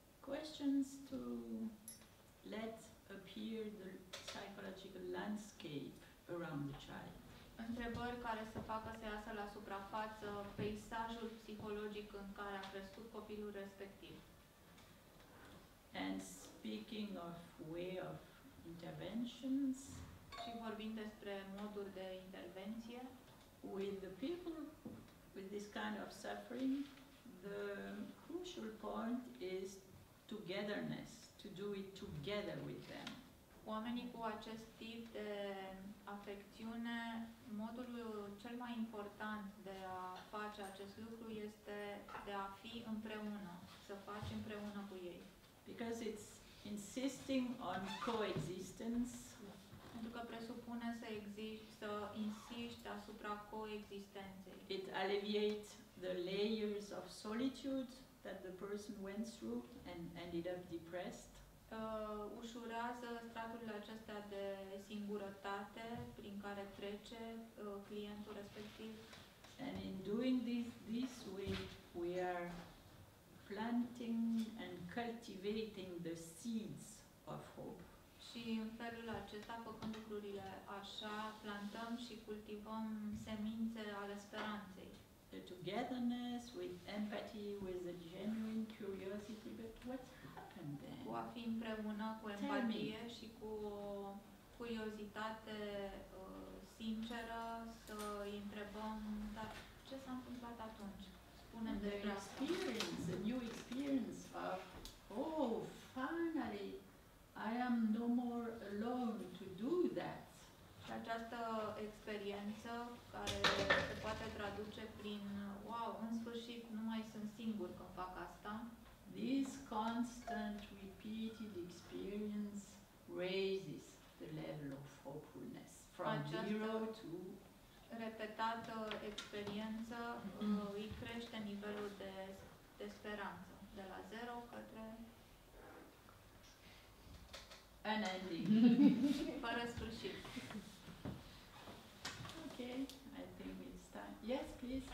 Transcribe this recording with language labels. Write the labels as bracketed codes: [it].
[en] Questions to let appear the psychological landscape around the child. [ro] Întrebări care să facă să iasă la suprafață peisajul psihologic în care a crescut copilul respectiv. [en] And speaking of way of interventions, [ro] și vorbind despre moduri de intervenție, [en] with the people with this kind of suffering, the crucial point is togetherness, to do it together with them. [ro] Oamenii cu acest tip de afecțiune, modul cel mai important de a face acest lucru este de a fi împreună, să faci împreună cu ei. [en] Because it's insisting on coexistence. [ro] Pentru că presupune să exiști, să insiști asupra coexistenței. [en] It alleviates the layers of solitude that the person went through and ended up depressed. [ro] Ușurează straturile acestea de singurătate prin care trece clientul respectiv. [en] And in doing this we are planting and cultivating the seeds of hope. [ro] Și în felul acesta, făcând lucrurile așa, plantăm și cultivăm semințe ale speranței. [en] The togetherness with empathy, with a genuine curiosity, but what happened then? [ro] Cu a fi împreună cu empatie și cu o curiozitate sinceră să îi întrebăm, dar ce s-a întâmplat atunci? Spune [en] the experience, a new experience of, oh, finally, I am no more alone to do that. [ro] Și această experiență care se poate traduce prin, wow, în sfârșit nu mai sunt singur când fac asta. [en] This constant repeated experience raises the level of hopefulness from zero to [ro] repetată experiență îi crește nivelul de speranță de la zero către [en] unending. [ro] Fără sfârșit. [en] Ok, I think it's time. Yes, please.